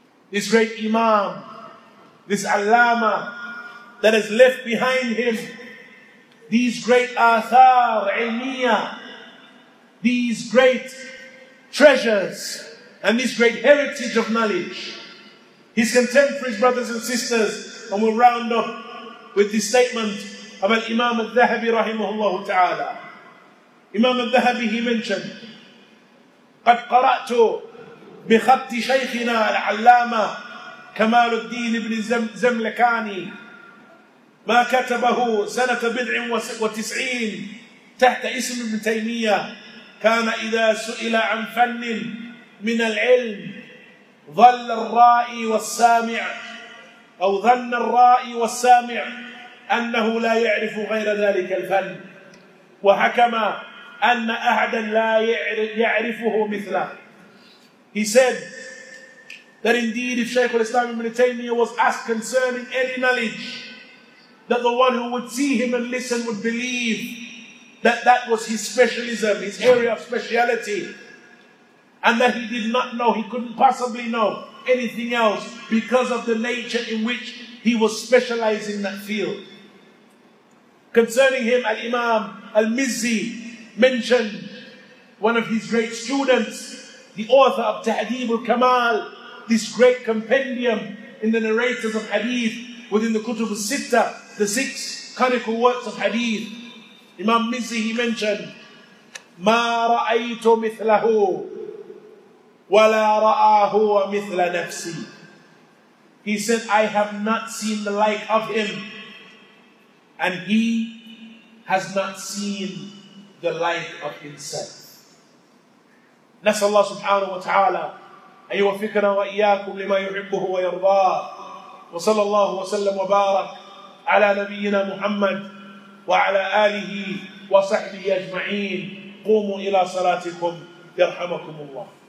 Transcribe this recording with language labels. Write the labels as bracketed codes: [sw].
[en] This great imam, this allama, that has left behind him these great athar, ilmiyah, these great treasures, and this great heritage of knowledge. His contemporaries, brothers and sisters, and we'll round up with this statement of al-imam al-Dhahabi rahimahullah ta'ala. Imam al-Dhahabi, he mentioned, [ar] قَدْ قَرَأْتُ بِخَطِّ شَيْخِنَا الْعَلَّامَ كَمَالُ الدِّينِ بْنِ زَمْلَكَانِي مَا كَتَبَهُ سَنَةَ بِضْعٍ وَتِسْعِينَ تَحْتَ إِسْمِ ابْنِ تَيْمِيَّةِ كَانَ إِذَا سُئِلَ عَنْ فَنٍ مِنَ الْعِلْمِ ظَلَّ الرَّائِي وَالسَّامِعِ أَوْ ظَنَّ الرَّائِي وَالسَّامِعِ أَنَّهُ لَا يَعْرِفُ غَيْرَ ذَلِكَ الْفَنِّ وَحَكَمَ أَنَّ أَحَدًا لَا يَعْرِفُهُ مِثْلَهُ. [en] He said that indeed if Shaykh al-Islam ibn Taymiyyah was asked concerning any knowledge, that the one who would see him and listen would believe that that was his specialism, his area of speciality. and that he did not know, he couldn't possibly know anything else because of the nature in which he was specializing in that field. Concerning him, Al-Imam Al-Mizzi mentioned one of his great students, the author of Tahdhib al-Kamal, this great compendium in the narrators of hadith within the Kutub al-Sitta, the six canonical works of hadith. Imam Mizzi, he mentioned, [ar] مَا رَأَيْتُ مِثْلَهُ وَلَا رَآهُ وَمِثْلَ نَفْسِي. [en] He said, I have not seen the like of him, and he has not seen the like of himself. [ar] نسأل الله سبحانه وتعالى أن يوفقنا وإياكم لما يحبه ويرضاه وصلى الله وسلم وبارك على نبينا محمد وعلى آله وصحبه أجمعين قوموا إلى صلاتكم يرحمكم الله